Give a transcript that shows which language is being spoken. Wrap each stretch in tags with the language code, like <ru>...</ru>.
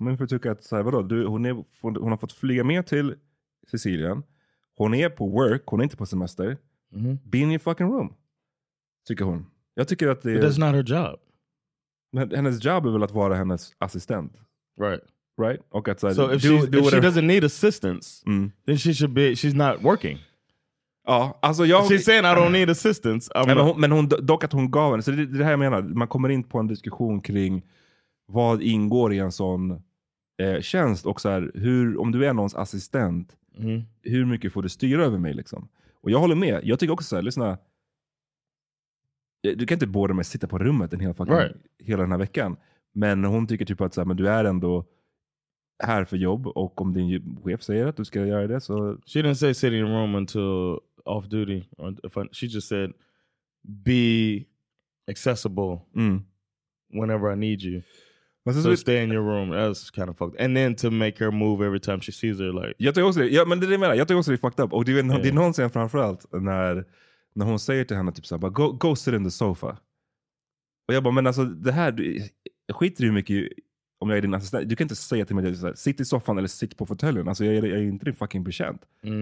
<sv>Min fru tyckte att, så här, vadå, hon har fått flyga med till Sicilien. Hon är på work, hon är inte på semester. Mm-hmm.</sv> <en>Be in your fucking room,</en> <sv>tycker hon. Jag tycker att det är...</sv> <en>But that's not her job.</en> <sv>Men hennes job är väl att vara hennes assistent.</sv> <en>Right. Right?</en> <sv>Och att, så här,</sv> <en>so if she doesn't need assistance, then she's not working.</en> <sv>Ja, alltså jag...</sv> <en>She's saying I don't need assistance.</en> <sv>Men att hon gav henne. Så det här jag menar. Man kommer in på en diskussion kring vad ingår i en sån tjänst. Och så här, om du är någons assistent, hur mycket får du styra över mig liksom? Och jag håller med. Jag tycker också så här, lyssna. Du kan inte båda med sitta på rummet en hel fucking, hela den här veckan. Men hon tycker typ att så här, men du är ändå här för jobb och om din chef säger att du ska göra det så...</sv> <en>She didn't say sitting in room until off duty. She just said be accessible whenever I need you. So stay in your room. That's kind of fucked. And then to make her move every time she sees her, like...</en> <sv>Jag tycker också det. Ja, men det är det jag menar. Jag tycker också det är fucked up. Och det är någonsin framförallt när hon säger till henne typ såhär,</sv> <en>go sit in the sofa.</en> <sv>Och jag bara, men alltså det här, skiter ju mycket om jag är din assistent. Du kan inte säga till mig att sitta i soffan eller sitta på fåtöljen. Alltså jag är inte din fucking bekänt. Mm.</sv>